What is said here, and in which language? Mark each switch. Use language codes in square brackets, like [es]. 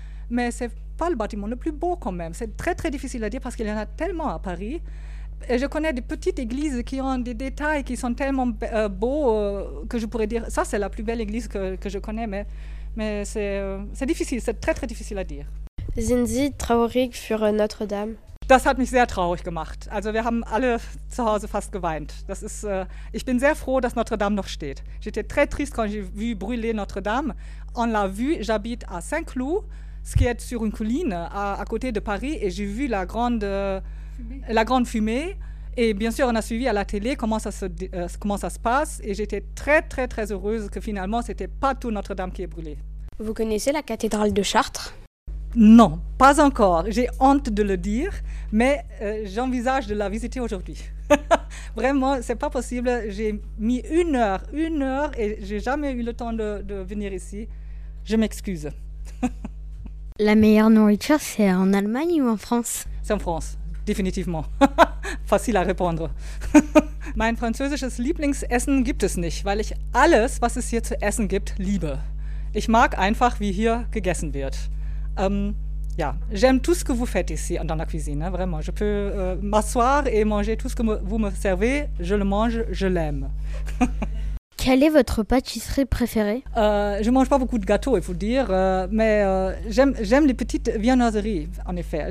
[fr] Mais ce n'est pas le bâtiment le plus beau quand même. C'est très, très difficile à dire parce qu'il y en a tellement à Paris. Et je connais des petites églises qui ont des détails qui sont tellement beaux que je pourrais dire ça, c'est la plus belle église que je connais. Mais c'est difficile, c'est très, très difficile à dire. [de] Sind Sie traurig für Notre-Dame? Das hat mich sehr traurig gemacht. Also wir haben alle zu Hause fast geweint. Das ist, ich bin sehr froh, dass Notre-Dame noch steht. [fr] J'étais très triste quand j'ai vu brûler Notre-Dame. On l'a vu, j'habite à Saint-Cloud, ce qui est sur une colline à côté de Paris, et j'ai vu la grande fumée. Et bien sûr, on a suivi à la télé comment ça se passe. Et j'étais très, très, très heureuse que finalement, ce n'était pas tout Notre-Dame qui est brûlé. Vous connaissez la cathédrale de Chartres ? Non, pas encore. J'ai honte de le dire, mais j'envisage de la visiter aujourd'hui. Vraiment, ce n'est pas possible. J'ai mis une heure, et je n'ai jamais eu le temps de venir ici. Je m'excuse. La meilleure nourriture, c'est en Allemagne ou en France? C'est en France, définitivement. Facile à répondre. [de] Mein französisches Lieblingsessen gibt es nicht, weil ich alles, was es hier zu essen gibt, liebe. Ich mag einfach, wie hier gegessen wird. [fr] J'aime tout ce que vous faites ici dans la cuisine, hein, vraiment. Je peux m'asseoir et manger tout ce que vous me servez, je le mange, je l'aime. Quelle est votre pâtisserie préférée? Je ne mange pas beaucoup de gâteaux, il faut dire, mais j'aime les petites viennoiseries, en effet.